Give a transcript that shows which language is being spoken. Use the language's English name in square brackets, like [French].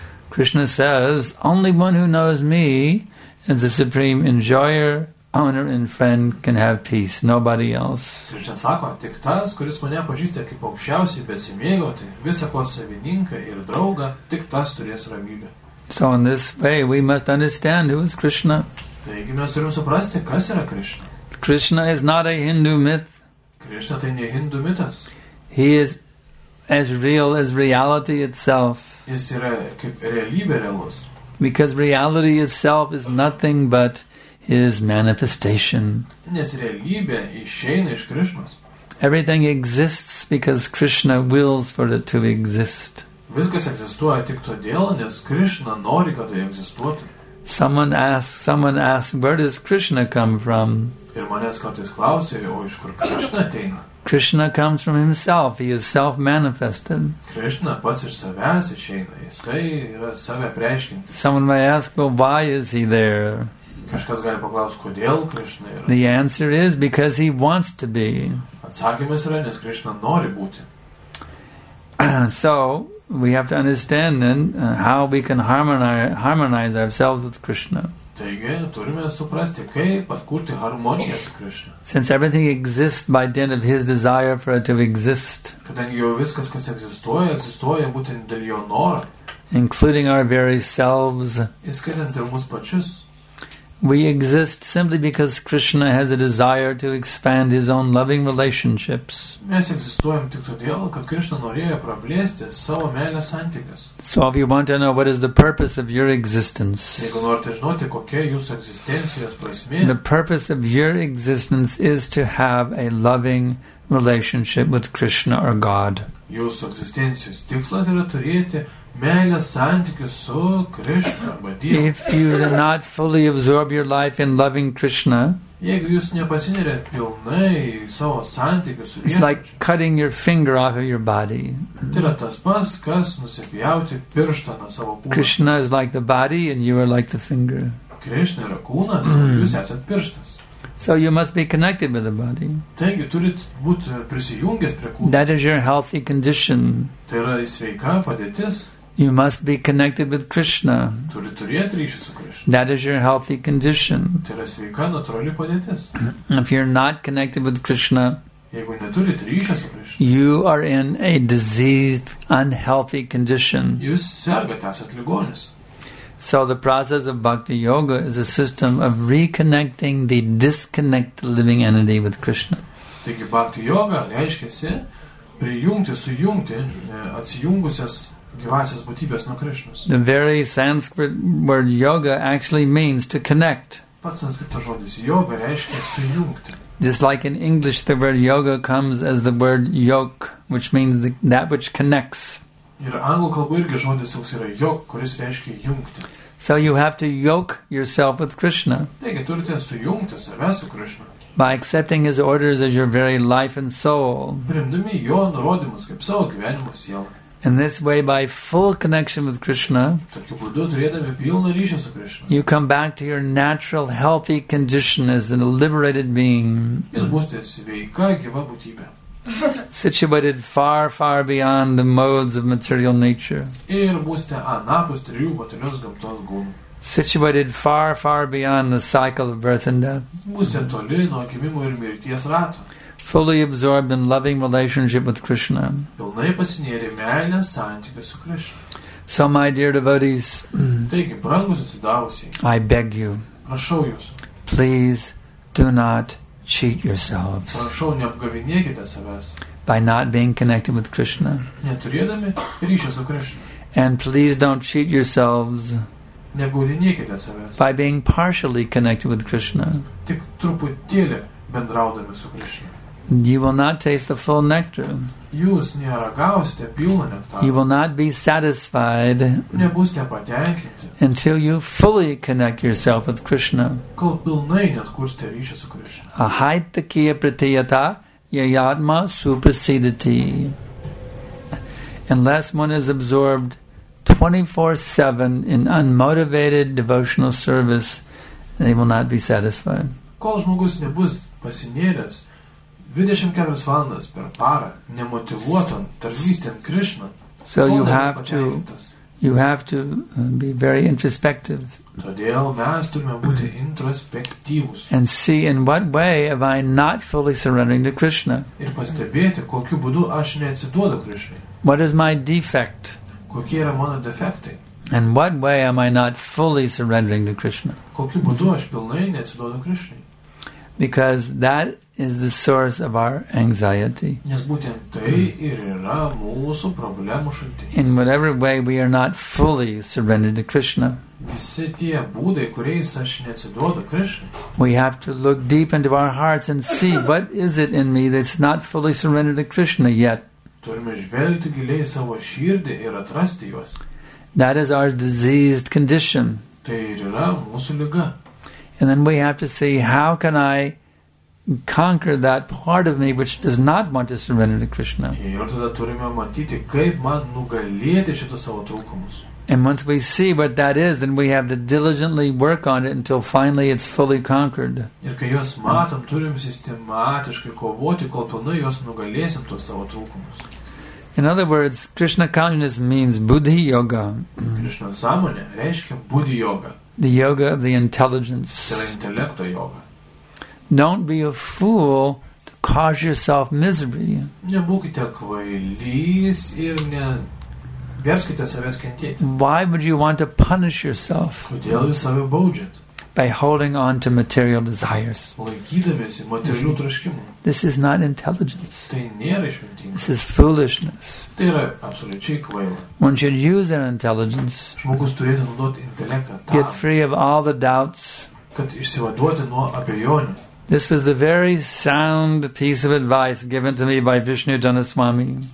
[English] Krishna says, only one who knows me is the supreme enjoyer, owner and friend can have peace, nobody else. [Lithuanian] Ir čia sako, tik tas, kuris mane pažįsta kaip aukščiausiai besimėgauti, visą ko savininką ir draugą, tik tas turės ramybę. [English] So in this way we must understand who is Krishna. [Lithuanian] Taigi mes turim suprasti, kas yra Krishna. [English] Krishna is not a Hindu myth. [Lithuanian] Krishna tai ne Hindu mitas. [English] He is as real as reality itself. [Lithuanian] Jis yra kaip realybė realus. [English] Because reality itself is nothing but his manifestation. [Lithuanian] Nes realybė išeina iš Krishnos. [English] Everything exists because Krishna wills for it to exist. [Lithuanian] Viskas egzistuoja tik todėl, nes Krishna nori, kad tai egzistuotų. [English] Someone asks, where does Krishna come from? [Lithuanian] Ir manęs kartais klausė, o iš kur Krishna ateina? [English] Krishna comes from himself, he is self-manifested. [Lithuanian] Krishna pats iš savęs išeina, jisai yra save apreiškinti. [English] Someone may ask, well, why is he there? [Lithuanian] Kažkas gali paklausti, kodėl Krishna yra. [English] The answer is, because he wants to be. [Lithuanian] Atsakymas yra, nes Krishna nori būti. [English] So, we have to understand then how we can harmonize ourselves with Krishna. [Lithuanian] Taigi, turime suprasti, kaip atkurti harmoniją su Krishna. [English] Since everything exists by dint of his desire for it to exist. [Lithuanian] Kadangi jau viskas, kas egzistuoja, egzistuoja būtent dėl jo noro. [English] Including our very selves. [Lithuanian] Įskaitant ir mūsų pačius. [English] We exist simply because Krishna has a desire to expand his own loving relationships. [Lithuanian] Mes egzistuojam tik todėl, kad Krishna norėjo praplėsti savo meilės santykius. [English] So if you want to know what is the purpose of your existence, [Lithuanian] jeigu norite žinoti, kokia jūsų egzistencijos prasmė, [English] the purpose of your existence is to have a loving relationship with Krishna or God. [Lithuanian] Jūsų egzistencijos tikslas yra turėti meilės santykius su Krishna arba Dievu. [English] If you do not fully absorb your life in loving Krishna, [Lithuanian] jeigu jūs nepasineriat pilnai savo santykius su Dievu, [English] it's like cutting your finger off of your body. [Lithuanian] Tai yra tas pas, kas nusipjauti pirštą nuo savo kūno. [English] Krishna is like the body and you are like the finger. [Lithuanian] Krishna yra kūnas, jūs esat pirštas. [English] So you must be connected with the body. [Lithuanian] Taigi, turit būt prisijungęs prie kūno. [English] That is your healthy condition. [Lithuanian] Tai yra sveika padėtis. [English] You must be connected with Krishna. [Lithuanian] Turit turėti ryšį su Krishna. [English] That is your healthy condition. [Lithuanian] Tai yra sveika, natūrali padėtis. [English] If you're not connected with Krishna, [Lithuanian] jeigu neturit ryšio su Krishna, [English] you are in a diseased, unhealthy condition. [Lithuanian] Jūs sergat, esat ligonis. [English] So the process of bhakti yoga is a system of reconnecting the disconnected living entity with Krishna. [Lithuanian] Taigi bhakti yoga reiškiasi prijungti, sujungti atsijungusias gyvasias būtybės nuo Krishnos. [English] The very Sanskrit word yoga actually means to connect. [Lithuanian] Pats sanskrito žodis yoga reiškia sujungti. [English] Just like in English the word yoga comes as the word yoke, which means that which connects. [Lithuanian] Ir anglų kalbų irgi žodis toks yra yok, kuris reiškia jungti. [English] So you have to yoke yourself with Krishna. [Lithuanian] Taigi turite sujungti save su Krishna. [English] By accepting his orders as your very life and soul. [Lithuanian] Priimdami jo nurodymus kaip savo gyvenimo sielą. [English] In this way, by full connection with Krishna, [Lithuanian] tokiu būdu turėdami pilną ryšį su Krishna, [English] you come back to your natural, healthy condition as a liberated being. [Lithuanian] Jūs būsite sveika, gyva būtybė. [English] Situated far, far beyond the modes of material nature. [Lithuanian] Ir būste anapus trijų materialios gamtos gūnų. [English] Situated far, far beyond the cycle of birth and death. [Lithuanian] Būste toli nuo gimimo ir mirties rato. [English] Fully absorbed in loving relationship with Krishna. [Lithuanian] Pilnai pasinėrė meilės santykius su Krishna. [English] So, my dear devotees, [Lithuanian] taigi, brangus atsidavusiai, [English] I beg you, [Lithuanian] prašau jūs, [English] please do not cheat yourselves. [Lithuanian] Prašau, neapgavinėkite savęs. [English] By not being connected with Krishna. [Lithuanian] Neturėdami ryšio su Krishna. [English] And please don't cheat yourselves. [Lithuanian] Neapgavinėkite savęs. [English] By being partially connected with Krishna. [Lithuanian] Tik truputėlį bendraudami su Krishna. [English] You will not taste the full nectar. [Lithuanian] Jūs neragausite pilno nektaro. [English] You will not be satisfied. [Lithuanian] Nebūsite patenkinti. [English] Until you fully connect yourself with Krishna. [Lithuanian] Kol pilnai neatkursite ryšį su Krishna. [Sanskrit] Ahaitakiya pratiyata yayatma supersedati. [English] Unless one is absorbed 24/7 in unmotivated devotional service, they will not be satisfied. [Lithuanian] Kol žmogus nebus pasinėręs 24 valandas per parą, nemotivuotam tarnystėm Krishna. [English] So you have to you have to be very introspective. [Lithuanian] Todėl mes turime būti introspektyvus. [English] And see in what way am I not fully surrendering to Krishna. [Lithuanian] Ir pastebėti, kokiu būdu aš neatsiduodu Krishnai. [English] What is my defect? [Lithuanian] Kokie yra mano defektai? [English] And what way am I not fully surrendering to Krishna? [Lithuanian] Kokiu būdu aš pilnai neatsiduodu Krishnai? [English] Because that is the source of our anxiety. [Lithuanian] Nes būtent tai ir yra mūsų problemų šaltinis. [English] In whatever way we are not fully surrendered to Krishna. [Lithuanian] Visi tie būdai, kuriais aš neatsiduodu Krishna. [English] We have to look deep into our hearts and see what is it in me that's not fully surrendered to Krishna yet. [Lithuanian] Turime žvelgti giliai savo širdį ir atrasti juos. [English] That is our diseased condition. [Lithuanian] Tai ir yra mūsų liga. [English] And then we have to see how can I conquer that part of me which does not want to surrender to Krishna. [Lithuanian] Ir tada turime matyti, kaip man nugalėti šitus savo trūkumus. [English] And once we see what that is, then we have to diligently work on it until finally it's fully conquered. [Lithuanian] Ir kai juos matom, turim sistematiškai kovoti, kol pilnai juos nugalėsim tuos savo trūkumus. [English] In other words, Krishna consciousness means buddhi yoga. [Lithuanian] Krishna sąmonė reiškia buddhi yoga. [English] The yoga of the intelligence. [Lithuanian] Tai yra intelekto yoga. [English] Don't be a fool to cause yourself misery. [Lithuanian] Nebūkite kvailys ir neverskite savęs kentėti. [English] Why would you want to punish yourself? [Lithuanian] Kodėl jūs save baudžiate? [English] By holding on to material desires. [Lithuanian] Laikydamiesi materialių troškimų. [English] This is not intelligence. [Lithuanian] Tai nėra išmintinga. [English] This is foolishness. [Lithuanian] Tai yra absoliučiai kvaila. [English] One should use their intelligence. [Lithuanian] Žmogus turėtų naudoti intelektą. [English] Get free of all the doubts. [Lithuanian] Kad išsivaduoti nuo abejonių. [English] This was the very sound piece of advice given to me by Vishnujana Swami.